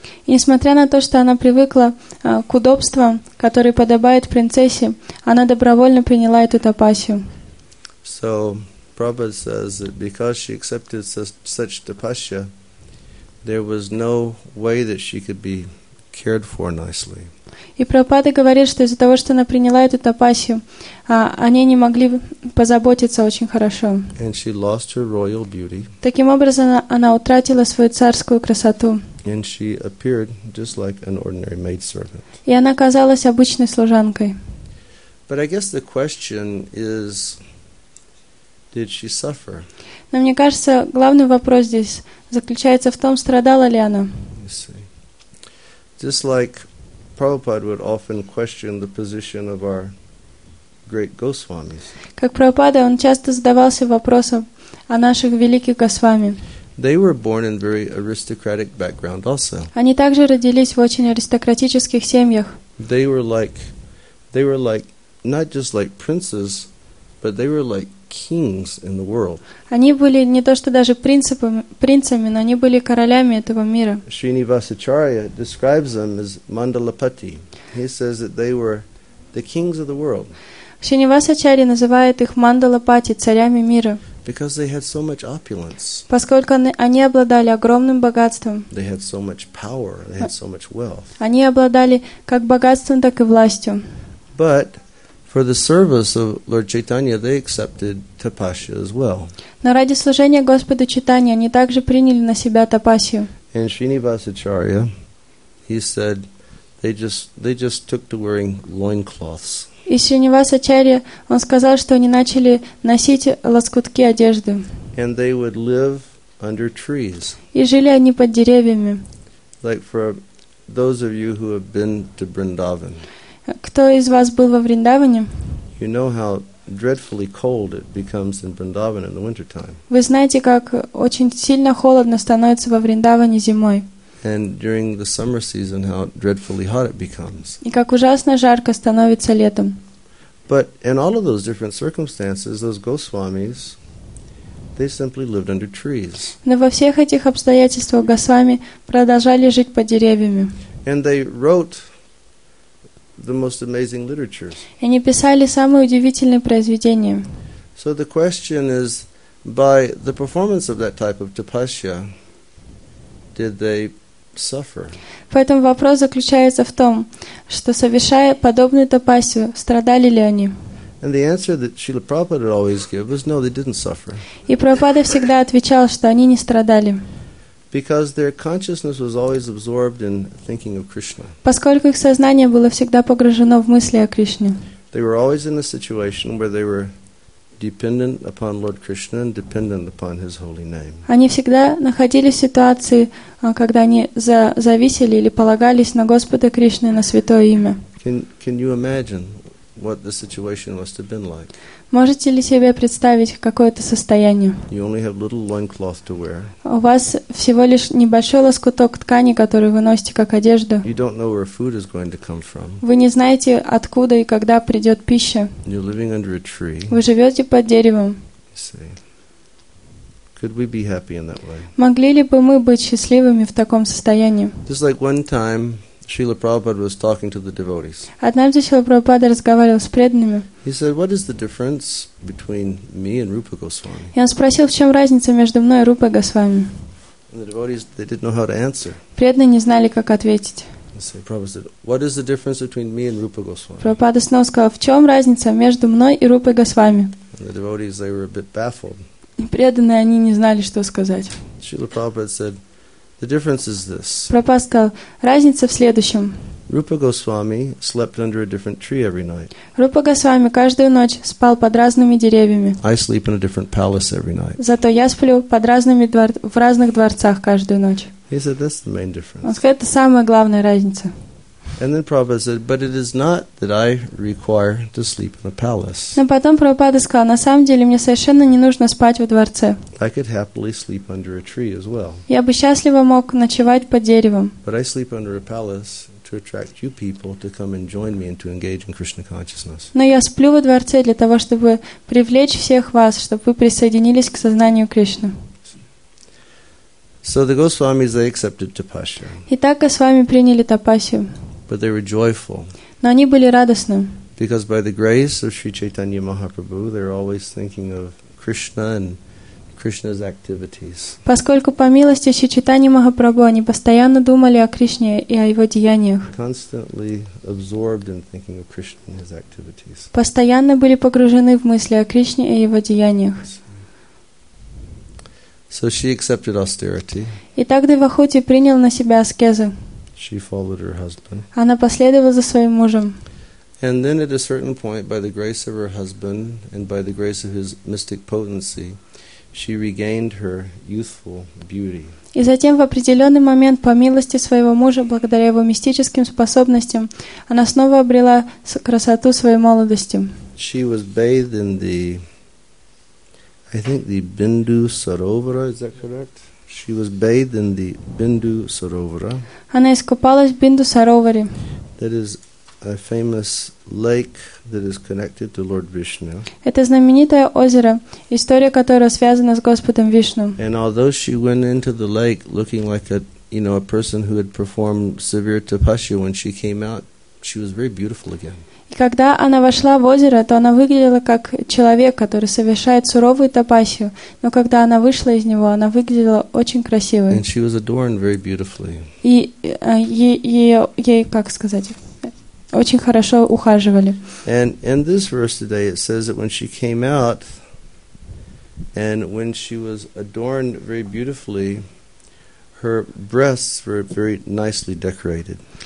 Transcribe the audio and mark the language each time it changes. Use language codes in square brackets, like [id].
[ru] И несмотря на то, что она привыкла к удобствам, которые подобают принцессе, она добровольно приняла эту тапасю. [en] So, Prabhupada says that because she accepted such tapasya, there was no way that she could be cared for nicely. [ru] И Прабхупада говорит, что из-за того, что она приняла эту тапасю, о ней не могли позаботиться очень хорошо. [en] And she lost her royal beauty. [ru] Таким образом, она утратила свою царскую красоту. [en] And she appeared just like an ordinary maidservant. [ru] И она казалась обычной служанкой. [en] But I guess the question is, did she suffer? [ru] Но мне кажется, главный вопрос здесь заключается в том, страдала ли она. [en] You see. Just like Prabhupada would often question the position of our great Goswamis. [ru] Как Прабхупада, он часто задавался вопросом о наших великих Госвами. [en] They were born in very aristocratic background also. [ru] Они также родились в очень аристократических семьях. [en] They were like not just like princes, but they were like kings in the world. [ru] Они были не то что даже принцами, но они были королями этого мира. [en] Srinivasacharya describes them as mandalapati. He says that they were the kings of the world. [ru] Шринивасачарья называет их мандалапати, царями мира. [en] Because they had so much opulence. [ru] Поскольку они обладали огромным богатством. [en] They had so much power, they had so much wealth. [ru] Они обладали как богатством, так и властью. [en] But for the service of Lord Chaitanya, they accepted tapasya as well. [ru] Но ради служения Господу Чайтанье они также приняли на себя тапасию. [en] And Srinivasacharya, he said, they just took to wearing loincloths. [ru] И Шринивасачарья, он сказал, что они начали носить лоскутки одежды. [en] And they would live under trees. [ru] И жили они под деревьями. [en] Like for those of you who have been to Vrindavan. [ru] Кто из вас был во Вриндаване? [en] You know how dreadfully cold it becomes in Vrindavan in the wintertime. [ru] Вы знаете, как очень сильно холодно становится во Вриндаване зимой. [en] And during the summer season, how dreadfully hot it becomes. [ru] И как ужасно жарко становится летом. [en] But in all of those different circumstances, those Goswamis, they simply lived under trees. [ru] Но во всех этих обстоятельствах Госвами продолжали жить под деревьями. [en] And they wrote the most amazing literatures. [ru] И они писали самые удивительные произведения. [en] So the question is, by the performance of that type of tapasya, did they suffer? [ru] Поэтому вопрос заключается в том, что совершая подобную тапасию, страдали ли они? [en] And the answer that Srila Prabhupada would always give was no, they didn't suffer. [ru] И Прабхупада всегда отвечал, что они не страдали. [en] Because their consciousness was always absorbed in thinking of Krishna. [ru] Поскольку их сознание было всегда погружено в мысли о Кришне. [en] They were always in a situation where they were dependent upon Lord Krishna and dependent upon His holy name. [ru] Они всегда находились в ситуации, когда они зависели или полагались на Господа Кришны, на Святое Имя. [en] Can you imagine what the situation must have been like? [ru] Можете ли себе представить какое-то состояние? [en] You only have little loincloth to wear. [ru] У вас всего лишь небольшой лоскуток ткани, который вы носите как одежду. [en] You don't know where food is going to come from. [ru] Вы не знаете, откуда и когда придет пища. [en] You're living under a tree. [ru] Вы живете под деревом. [en] See. Could we be happy in that way? [ru] Могли ли бы мы быть счастливыми в таком состоянии? [en] Just like one time, Srila Prabhupada was talking to the devotees. [ru] Однажды Шрила Прабхупада разговаривал с преданными. [en] He said, "What is the difference between me and Rupa Goswami?" [ru] И он спросил, в чем разница между мной и Рупой Госвами. [en] And the devotees, they didn't know how to answer. [ru] Преданные не знали, как ответить. [en] And so Prabhupada said, "What is the difference between me and Rupa Goswami?" [ru] Прабхупада снова сказал, в чем разница между мной и Рупой Госвами? [en] And the devotees, they were a bit baffled. [ru] Преданные, они не знали, что сказать. [en] Шрила Прабхупада said, the difference is this. [ru] Прабхупада сказал, разница в следующем. [en] Rupa Goswami slept under a different tree every night. [ru] Rupa Goswami каждую ночь спал под разными деревьями. [en] I sleep in a different palace every night. [ru] Зато я сплю под разными в разных дворцах каждую ночь. [en] He said that's the main difference. [ru] Он сказал, это самая главная разница. [en] And then Prabhupada said, but it is not that I require to sleep in a palace. [ru] Но потом Прабхупада сказал, на самом деле мне совершенно не нужно спать во дворце. [en] I could happily sleep under a tree as well. [ru] Я бы счастливо мог ночевать под деревом. [en] But I sleep under a palace to attract you people to come and join me and to engage in Krishna consciousness. [ru] Но я сплю во дворце для того, чтобы привлечь всех вас, чтобы вы присоединились к сознанию Кришны. [en] So the Goswamis, they accepted tapasya. [ru] Итак, Госвами приняли тапасию. [en] But they were joyful. [ru] Но они были радостны. [en] Because by the grace of Sri Chaitanya Mahaprabhu, they're always thinking of Krishna and Krishna's activities. [ru] Поскольку по милости Шри Чайтаньи Махапрабху они постоянно думали о Кришне и о его деяниях. [en] Constantly absorbed in thinking of Krishna and his activities. [ru] Постоянно были погружены в мысли о Кришне и его деяниях. [en] So she accepted austerity. [ru] Итак, Девахути принял на себя аскезы. [en] She followed her husband. [ru] Она последовала за своим мужем. [en] And then at a certain point, by the grace of her husband and by the grace of his mystic potency, she regained her youthful beauty. [ru] И затем в определенный момент, по милости своего мужа, благодаря его мистическим способностям, она снова обрела красоту своей молодости. [en] She was bathed in the, I think the Bindu Sarovara, is that correct? She was bathed in the Bindu Sarovara. [ru] Она искупалась в Бинду Сароваре. [en] That is a famous lake that is connected to Lord Vishnu. [ru] Это знаменитое озеро, история которого связана с Господом Вишну. [en] And although she went into the lake looking like a, you know, a person who had performed severe tapasya, when she came out, she was very beautiful again. [ru] И когда она вошла в озеро, то она выглядела как человек, который совершает суровую тапасию. Но когда она вышла из него, она выглядела очень красивой. [en] And she was adorned very beautifully. [ru] И ей, как сказать, очень хорошо ухаживали. [en] And in this verse today it says that when she came out and when she was adorned very beautifully, her breasts were very nicely decorated.